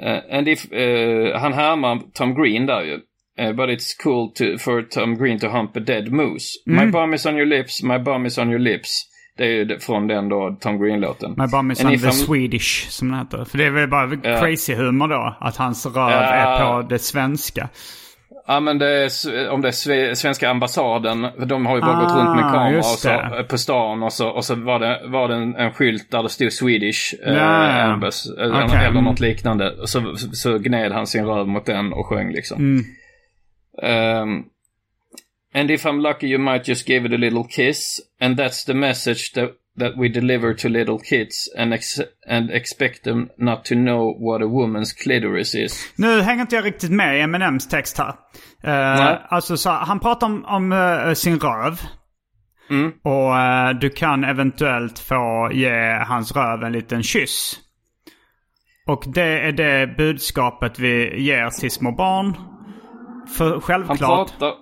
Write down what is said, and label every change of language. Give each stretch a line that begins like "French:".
English: And if
Swedish: han härmar Tom Green där ju.
English: But it's cool to for Tom Green to hump a dead moose. Mm. My bum is on your lips, my bum is on your lips.
Swedish: Det är från den då Tom Green-låten.
English: My bum is on the Swedish,
Swedish: som den heter. För det är väl bara crazy humor då, att hans röv är på det svenska. Ja, men det är, om det är svenska ambassaden, för de har ju bara gått runt med kameran och så på stan, och så var det en skylt där det stod Swedish eller något liknande. Och så gned han sin röv mot den och sjöng liksom.
English: And if I'm lucky, you might just give it a little kiss, and that's the message that we deliver to little kids, and expect them not to know what a woman's clitoris is.
Swedish: Nu hänger inte jag riktigt med i Eminems text här. Alltså, så han pratar om sin röv, och du kan eventuellt få ge hans röv en liten kyss. Och det är det budskapet vi ger till små barn, för självklart.